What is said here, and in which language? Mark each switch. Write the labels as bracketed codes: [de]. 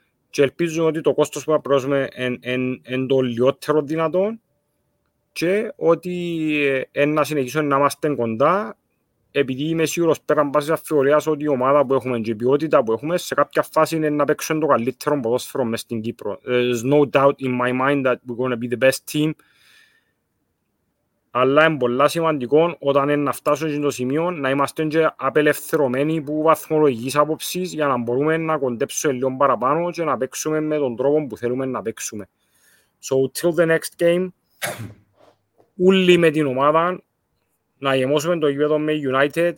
[el] Και ελπίζουμε ότι το κόστος που θα πληρώσουμε είναι το λιότερο δυνατόν και ότι να συνεχίσουμε να είμαστε κοντά, επειδή είμαι σίγουρος πέραν πάσης αφιβολίας ότι η ομάδα που έχουμε και η ποιότητα που έχουμε σε κάποια φάση είναι να παίξουμε το καλύτερο ποδόσφαιρο μέσα στην Κύπρο. [en] There's no doubt in my mind that we're going to be the best team. [el] Αλλά είναι πολλά σημαντικό όταν είναι να φτάσουμε στο σημείο να είμαστε και απελευθερωμένοι από βαθμολογικής άποψης για να μπορούμε να κοντέψουμε λίγο παραπάνω και να παίξουμε με τον τρόπο που θέλουμε να παίξουμε. [en] So, till the next game, [el] όλοι με την ομάδα να γεμώσουμε το γήπεδο με United.